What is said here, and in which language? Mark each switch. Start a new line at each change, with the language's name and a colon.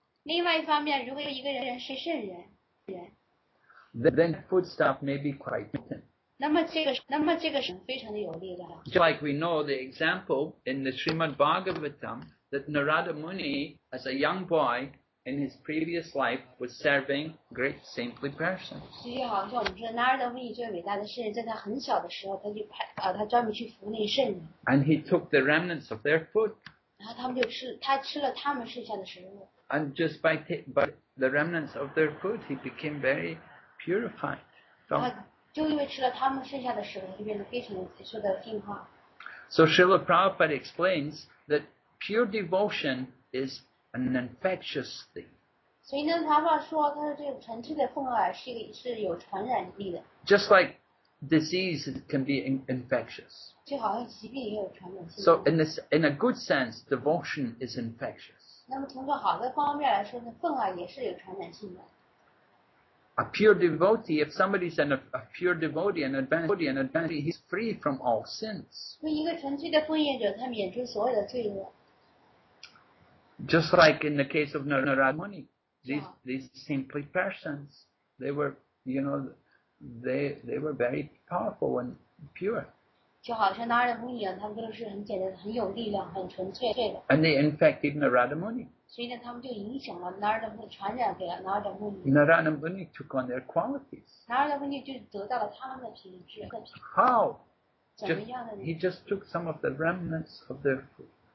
Chinese: 另外一方面，如果一个人是圣人，
English: then foodstuff may be quite potent.
Chinese: 那么这个是非常的有力的。
English: Just like we know the example in the Srimad Bhagavatam that Narada Muni, as a young boy in his previous life, was serving great saintly persons.
Chinese: 就好像我们说纳尔德温尼这位伟大的圣人，在他很小的时候，他专门去服那圣人。
English: And he took the remnants of their food.
Chinese: 然后他们就吃，他吃了他们剩下的食物。
English: And just by the remnants of their food, he became very purified.
Chinese: 他就因为吃了他们剩下的食物，就变得非常的受到净化。
English: So Srila Prabhupada explains that pure devotion is an infectious thing.
Chinese: 所以呢，他爸说，他说这个纯粹的奉爱是有传染力的。
English: Just like disease can be infectious.
Chinese: 就好像疾病也有传染性。
English: So in a good sense, devotion is infectious.
Chinese: 那么从个好的方面来说呢，奉爱也是有传染性的。
English: A pure devotee, if somebody's a pure devotee, an advanced devotee, he's free from all sins.
Chinese: 所以一个纯粹的奉献者，他免除所有的罪恶。
English: Just like in the case of Narada Muni, these simply persons, they were, you know, they were very powerful and pure.
Chinese: 就好像 Narada Muni 一样，他们都是很简单、很有力量、很纯粹的。
English: And they infected Narada Muni.
Chinese: 所以呢，他们就影响了 Narada Muni， 传染给了 Narada Muni。
English: Narada Muni took on their qualities.
Chinese: Narada Muni 就得到了他们的品质。
English: How?
Chinese: 怎么样的呢？
English: He just took some of the remnants of their food.